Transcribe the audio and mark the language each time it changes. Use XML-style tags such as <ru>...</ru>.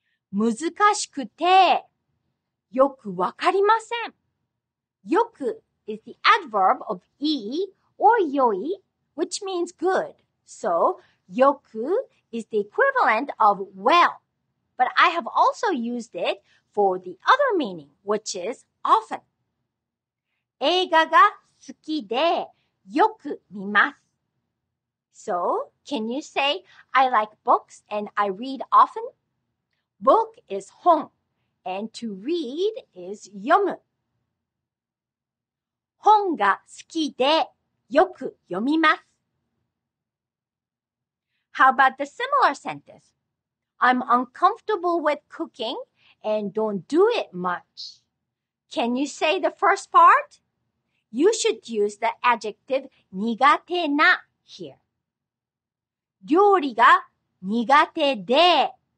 <ja>難しくてよくわかりません。</ja> <en>よくis the adverb of いい or 良い, which means good. So, よく is the equivalent of well. But I have also used it for the other meaning, which is often.</en> <ja>映画が好きでよく見ます.</ja> <en>So, can you say, I like books and I read often? Book is 本, and to read is 読む.</en> <ja>本が好きでよく読みます。</ja> <en>How about the similar sentence? I'm uncomfortable with cooking and don't do it much. Can you say the first part? You should use the adjective 苦手な here.</en> <ja>料理が苦手で。</ja>